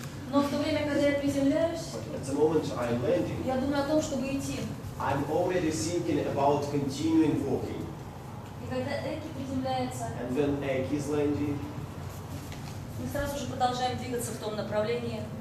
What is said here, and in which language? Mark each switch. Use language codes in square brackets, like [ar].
[ru] Но в то время, когда я приземляюсь, [en] landing, [ru] я думаю о том, чтобы идти. [en] I'm already thinking about continuing walking. [ru] И когда Эки приземляется, [en] and when Eki is landing, [ru] мы сразу же продолжаем двигаться в том направлении.